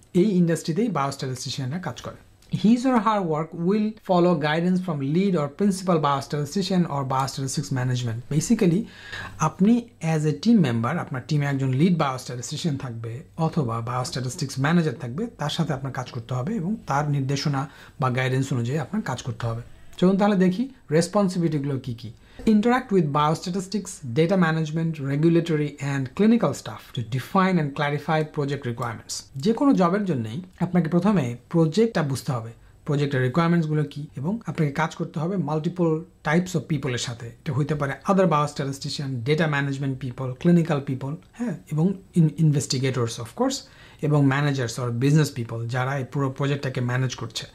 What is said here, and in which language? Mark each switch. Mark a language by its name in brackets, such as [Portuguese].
[Bangla] এই ইন্ডাস্ট্রিতেই বায়োস্ট্যাটিস্টিশিয়ানরা কাজ করে। [English] His or her work will follow guidance from lead or principal biostatistician or biostatistics management. [Bangla] Basically আপনি as a team member, আপনার টিমে একজন লিড বায়োস্ট্যাটিস্টিশিয়ান থাকবে অথবা বায়োস্ট্যাটিস্টিক্স ম্যানেজার থাকবে, তার সাথে আপনার কাজ করতে হবে এবং তার নির্দেশনা বা গাইডেন্স অনুযায়ী আপনার কাজ করতে হবে। চলুন তাহলে দেখি রেসপন্সিবিলিটিগুলো কী কী। [English] Interact with biostatistics, data management, regulatory and clinical staff to define and clarify project requirements. [Bangla] যে কোনো জবের জন্যই আপনাকে প্রথমে প্রজেক্টটা বুঝতে হবে, প্রজেক্টের রিকোয়ারমেন্টসগুলো কী, এবং আপনাকে কাজ করতে হবে মাল্টিপল টাইপস অফ পিপলের সাথে। এটা হইতে পারে আদার বায়োস্ট্যাটিস্টিশিয়ান, data management people, clinical people, হ্যাঁ, এবং ইনভেস্টিগেটর্স অফকোর্স, এবং ম্যানেজার্স অর বিজনেস পিপল যারা এই পুরো প্রজেক্টটাকে ম্যানেজ করছে।